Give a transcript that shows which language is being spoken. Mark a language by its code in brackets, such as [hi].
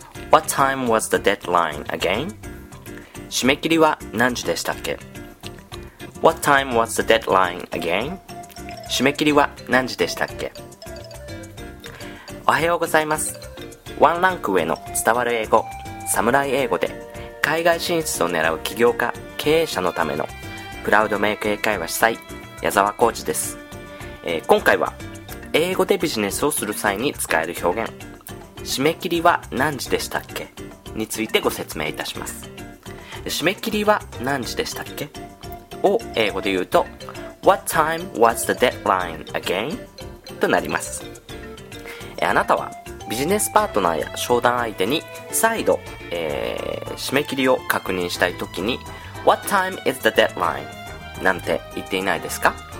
[en] What time was the deadline again? [ja] 締め切りは何時でしたっけ? [en] What time was the deadline again? [ja] 締め切りは何時でしたっけ?おはようございます。ワンランク上の伝わる英語、サムライ英語で海外進出を狙う起業家、経営者のためのプラウドメイク英会話主催、矢沢浩二です。今回は英語でビジネスをする際に使える表現、締め切りは何時でしたっけ? についてご説明いたします。締め切りは何時でしたっけ? を英語で言うと、 [en] What time was the deadline again? [ja] となります。あなたはビジネスパートナーや商談相手に再度、締め切りを確認したいときに、 [en] What time is the deadline? [ja] なんて言っていないですか?